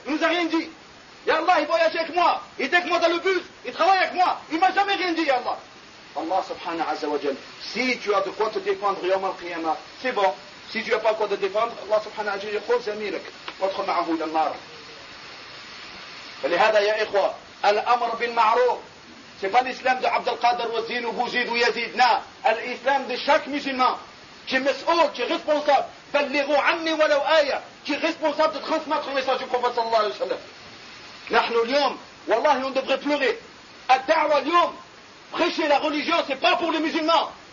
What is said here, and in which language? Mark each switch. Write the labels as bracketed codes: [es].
[fr] Il nous a rien dit. [ar] يا الله [fr] ils voyagent avec moi. Ils étaient avec moi dans le bus. Ils travaillent avec moi. Il m'a jamais rien dit [ar] يا الله. الله سبحانه عز وجل. [fr] Si tu as de quoi te défendre [ar] يوم القيامة, [fr] c'est bon. Si tu n'as pas quoi de défendre, Allah subhanahu wa ta'ala dit [ar] خذ زميلك وادخل معه الى النار. فلهذا يا اخوه الامر بالمعروف [fr] c'est pas l'islam de عبد القادر وزين وبوزيد ويزيد. Non, الاسلام de chaque musulman qui est مسؤول, qui est responsable. [ar] بلغوا عني ولو ايه, [fr] qui est responsable de transmettre le message du prophète sallallahu alayhi wa sallam. [ar] نحن اليوم والله [fr] on devrait pleurer. [ar] الدعوه اليوم [fr] prêcher la religion c'est pas pour les musulmans.